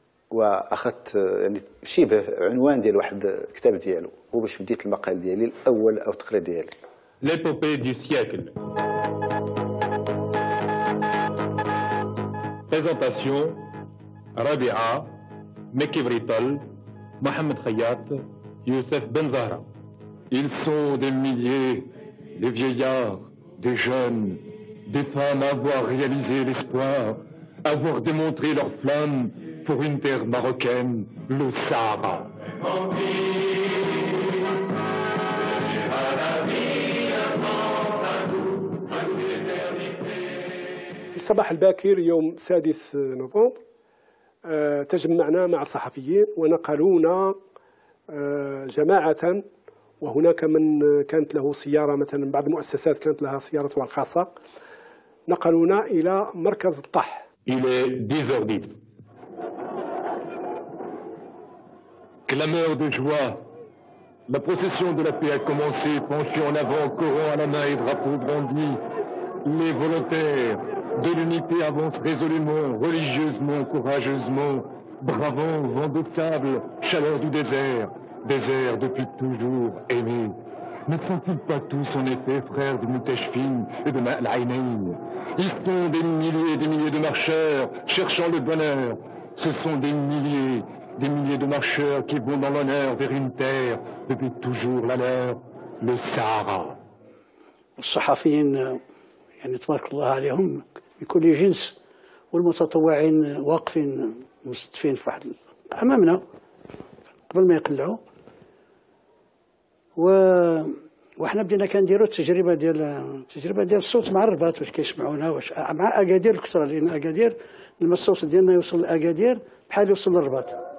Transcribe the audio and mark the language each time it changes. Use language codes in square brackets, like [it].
[ar] واخذت يعني شبه عنوان ديال واحد الكتاب ديالو هو باش بديت المقال ديالي الاول او التقرير ديالي. [fr] ليبوبي دو سيكل بريزونطاسيون ربيعه مكي بريطل محمد خياط يوسف بن زهرة. Ils sont des milliers de vieillards, de jeunes, des femmes à avoir réalisé l'espoir, à avoir démontré leur flamme pour une terre marocaine, le Sahara. [ar] في الصباح الباكر يوم 6 نوفمبر تجمعنا مع الصحفيين ونقلونا جماعة، وهناك من كانت له سيارة، مثلا بعض المؤسسات كانت لها سيارتها الخاصة، نقلونا إلى مركز الطح. [fr] Il est 10h10. Clameur de joie, la procession de la paix a commencé, penchée en avant, courant à la main et drapeau brandi. Les volontaires de l'unité avancent résolument, religieusement, courageusement, bravant vent de sable, chaleur du désert, désert depuis toujours aimé. Ne sont-ils pas tous en effet frères de Moutechfin et de Ma'al-Ainin? Ils sont des milliers et des milliers de marcheurs cherchant le bonheur. Ce sont des milliers. Des milliers de marcheurs qui vont dans l'honneur vers une terre depuis toujours la leur, le Sahara. [ar] الصحفيين يعني تبارك الله عليهم من كل جنس، والمتطوعين واقفين مستفين في واحد امامنا قبل ما يقلعوا. وحنا بدينا كنديروا التجربه ديال الصوت مع الرباط، واش كيسمعونا، واش مع اكادير الكثره، لان اكادير لما الصوت ديالنا يوصل لاكادير بحال يوصل للرباط.